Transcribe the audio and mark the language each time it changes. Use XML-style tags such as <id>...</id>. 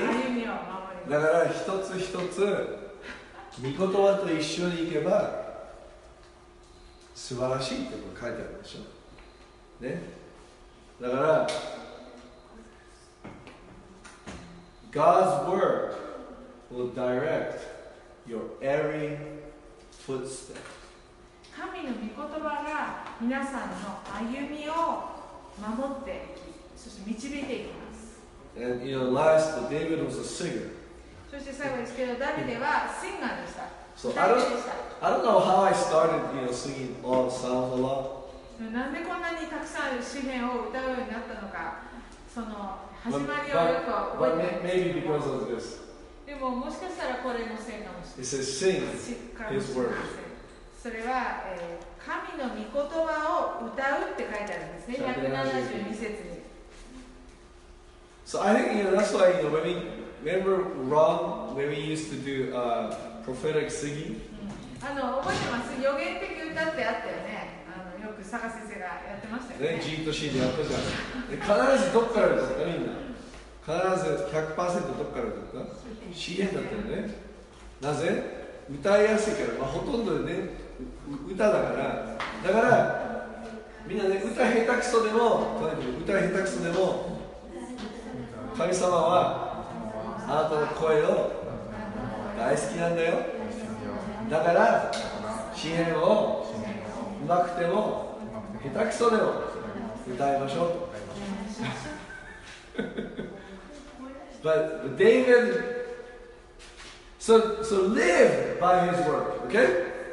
<ja>だから一つ一つ御言葉と一緒に行けば素晴らしいって書いてあるでしょ、ね、だから</ja> <en>God's wordwill direct your every footstep.</en> <ja>神の御言葉が皆さんの歩みを守って、そして導いていきます。</ja> <en>And you know, last, David was a singer.</en> <ja>そして最後ですけど、ダビデはシンガーでした。</ja> <en>So, I don't know how I started, you know, singing all songs a lot.</en> <ja>なんでこんなにたくさん詩編を歌うようになったのか、その始まりをよく覚えてます。</ja> <en>But maybe because of this.</en> <ja>でももしかしたらこれのせいかもしれない。</ja> <en>It says sing His word.</en> <ja>それは、神の御言葉を歌うって書いてあるんですね。 172節に。</ja> <en>So I think you know that's why you know when we remember Ron when we used to do prophetic singing.</en> <ja>あの覚えてます。予言的歌ってあったよね。あのよく坂先生がやってましたよね。ね、G と C でやったじゃん。で必ずどっからですかみんな。必ず 100% どこからだった詩編だったよね。なぜ歌いやすいから、まあ、ほとんどね、歌だから。だから、みんなね、歌下手くそでも、とにかく歌下手くそでも、神様は、あなたの声を大好きなんだよ。だから、詩編を、うまくても、下手くそでも、歌いましょう。</ja> <en>But David, so live by his word, okay?</en>